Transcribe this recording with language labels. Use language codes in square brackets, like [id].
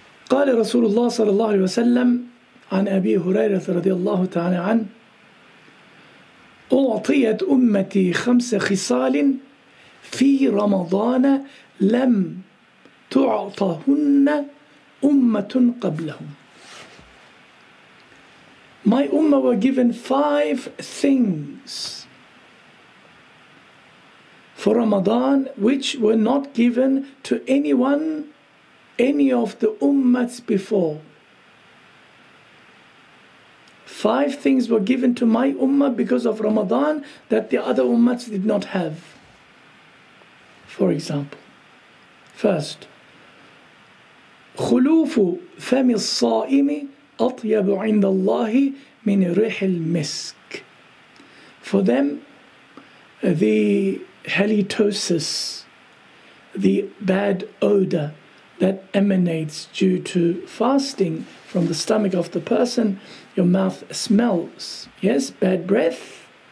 [ar] قال رسول الله صلى الله عليه وسلم عن أبي هريرة رضي الله تعالى عنه أعطيت أمتي خمس خصال في رمضان لم تعطهن أمة قبلهم. [en] My ummah were given five things for Ramadan which were not given to anyone, any of the ummahs before. Five things were given to my ummah because of Ramadan that the other ummahs did not have. For example, first, [ar] خُلُوفُ فَمِ الصَّائِمِ أَطْيَبُ عِنْدَ اللَّهِ مِنْ رِحِ الْمِسْكِ. [en] For them, the halitosis, the bad odor that emanates due to fasting from the stomach of the person, your mouth smells, yes, bad breath.